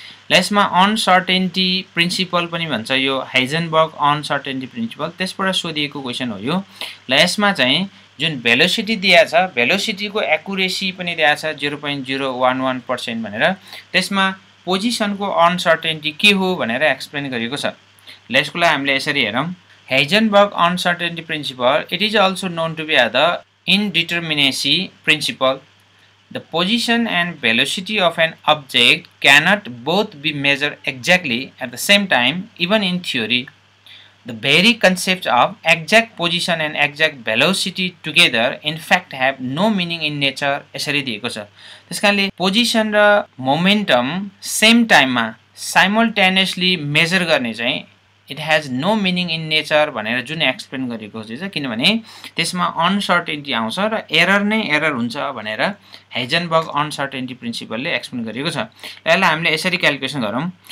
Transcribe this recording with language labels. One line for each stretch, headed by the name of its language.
Nepali: ल यसमा uncertainty principal पनि भन्छ यो हाइजनबर्ग अनसर्टेन्टी प्रिन्सिपल त्यसबाट सोधिएको क्वेसन हो यो ल यसमा चाहिँ जुन भेलोसिटी दिएको छ भेलोसिटीको एकुरेसी पनि दिएको छ 0.011% भनेर त्यसमा पोजिसनको अनसर्टेन्टी के हो भनेर एक्सप्लेन गरिएको छ ल यसको लागि हामीले यसरी हेरौँ Heisenberg uncertainty principal
English: It is also known to be the indeterminacy principle The position and velocity of an object cannot both be measured exactly at the same time, even in theory. The very concept of exact position and exact velocity together, in fact, have no meaning in nature.
Nepali: यसरी दिएको छ त्यसकारणले position र momentum same time मा simultaneously measure गर्ने चाहिँ
English: it has no meaning in nature
Nepali: भनेर जुन एक्सप्लेन गरेको चाहिँ छ किनभने त्यसमा अनसर्टेन्टी आउँछ र एरर नै एरर हुन्छ भनेर हाइजेनबर्ग अनसर्टेन्टी प्रिन्सिपलले एक्सप्लेन गरेको छ यसलाई हामीले यसरी क्यालकुलेसन गरौँ